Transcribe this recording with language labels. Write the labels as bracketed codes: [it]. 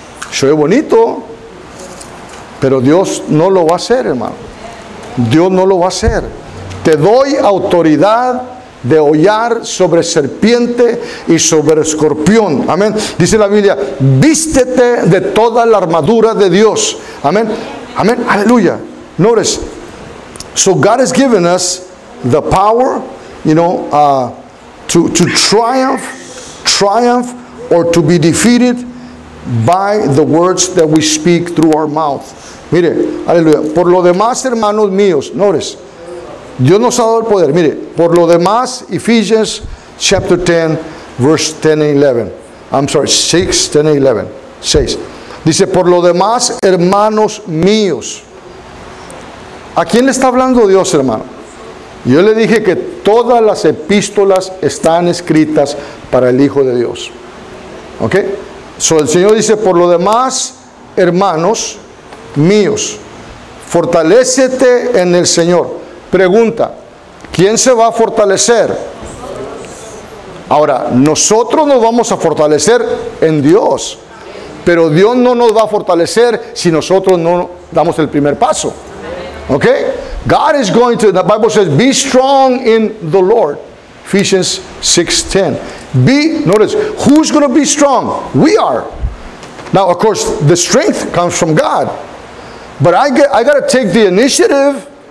[es] Soy bonito, pero Dios no lo va a hacer, hermano. Dios no lo va a hacer. Te doy autoridad de hollar sobre serpiente y sobre escorpión. Amén. Dice la Biblia, vístete de toda la armadura de Dios. Amén. Amén. Aleluya. Notice. [en] So God has given us the power, you know, to triumph. Triumph or to be defeated by the words that we speak through our mouth. [es] Mire, aleluya. Por lo demás, hermanos míos, notice, Dios nos ha dado el poder. Mire, por lo demás, [en] Ephesians chapter 10, verse 10 and 11. I'm sorry, 6, 10 and 11. 6. [es] Dice, por lo demás, hermanos míos. ¿A quién le está hablando Dios, hermano? Yo le dije que todas las epístolas están escritas para el Hijo de Dios. ¿Ok? So el Señor dice, por lo demás, hermanos míos, fortalécete en el Señor. Pregunta, ¿quién se va a fortalecer? Ahora, nosotros nos vamos a fortalecer en Dios. Pero Dios no nos va a fortalecer si nosotros no damos el primer paso. ¿Ok? [en] God is going to, the Bible says, be strong in the Lord. Ephesians 6:10. Be, notice, who's going to be strong? We are. Now, of course, the strength comes from God. But I got to take the initiative.